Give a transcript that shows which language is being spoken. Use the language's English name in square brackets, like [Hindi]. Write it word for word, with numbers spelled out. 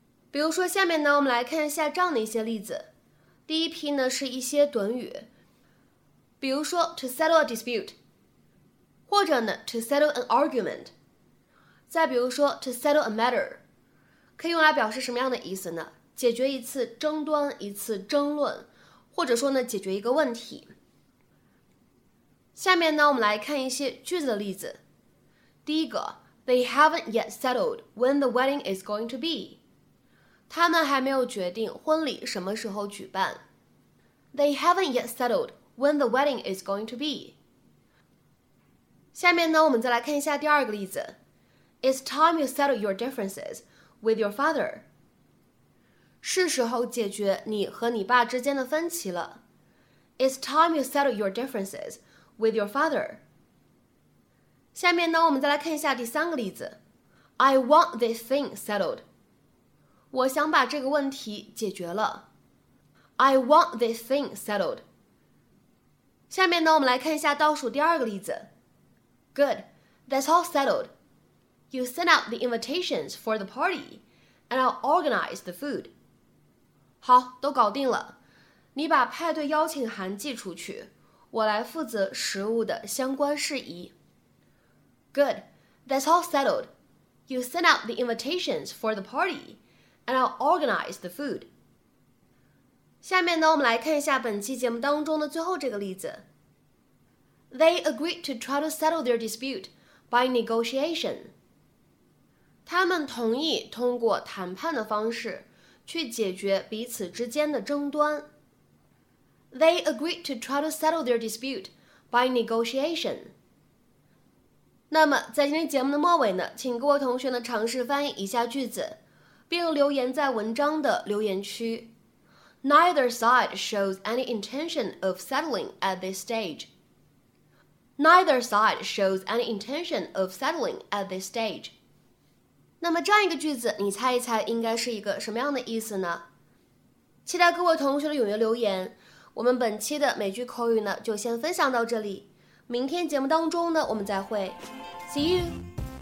[Chinese] 比如说下面呢我们来看一下这样的一些例子。第一批呢是一些短语，比如说 [English] to settle a dispute， [Chinese] 或者呢 [English] to settle an argument， [Chinese] 再比如说 [English] to settle a matter， [Chinese] 可以用来表示什么样的意思呢？解决一次争端，一次争论，或者说呢解决一个问题。下面呢我们来看一些句子的例子。 [English] 第一个 They haven't yet settled when the wedding is going to be， [Chinese] 他们还没有决定婚礼什么时候举办。 [English] They haven't yet settled when the wedding is going to be。 [Chinese] 下面呢我们再来看一下第二个例子。 [English] It's time you settle your differences with your father。 [Chinese] 是时候解决你和你爸之间的分歧了。 [English] It's time you settle your differences with your father。 [Chinese] 下面呢我们再来看一下第三个例子。 [English] I want this thing settled。 [Chinese] 我想把这个问题解决了。 [English] I want this thing settled。 [Chinese] 下面呢我们来看一下倒数第二个例子。 [English] Good, that's all settled. You send out the invitations for the party and I'll organize the food. [Chinese] 好，都搞定了，你把派对邀请函寄出去，我来负责食物的相关事宜。 [English] Good, that's all settled. You send out the invitations for the party and I'll organize the food. [Chinese] 下面呢我们来看一下本期节目当中的最后这个例子。 [English] They agreed to try to settle their dispute by negotiation. [Chinese] 他们同意通过谈判的方式去解决彼此之间的争端。 [English] They agreed to try to settle their dispute by negotiation. [Chinese] 那么在今天节目的末尾呢，请各位同学呢尝试翻译以下句子，并留言在文章的留言区。 [English] Neither side shows any intention of settling at this stage. Neither side shows any intention of settling at this stage. [Chinese] 那么这样一个句子，你猜一猜应该是一个什么样的意思呢？期待各位同学的踊跃留言。我们本期的美剧口语呢，就先分享到这里。明天节目当中呢，我们再会。 [English] See you!